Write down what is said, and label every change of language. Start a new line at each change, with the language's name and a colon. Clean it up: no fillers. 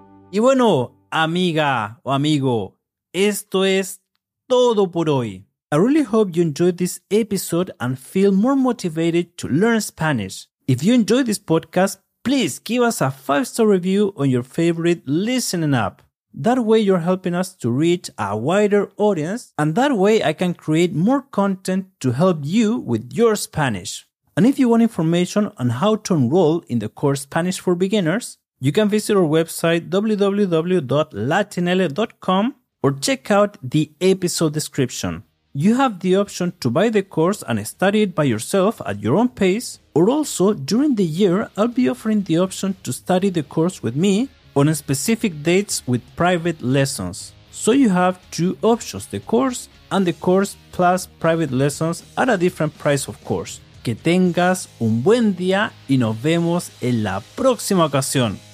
Spanish: Y bueno, amiga o amigo, esto es todo por hoy.
English: I really hope you enjoyed this episode and feel more motivated to learn Spanish. If you enjoyed this podcast, please give us a 5-star review on your favorite listening app. That way you're helping us to reach a wider audience, and that way I can create more content to help you with your Spanish. And if you want information on how to enroll in the course Spanish for Beginners, you can visit our website www.latinele.com. Or check out the episode description. You have the option to buy the course and study it by yourself at your own pace. Or also, during the year, I'll be offering the option to study the course with me on specific dates with private lessons. So you have two options, the course and the course plus private lessons at a different price, of course.
Spanish: Que tengas un buen día y nos vemos en la próxima ocasión.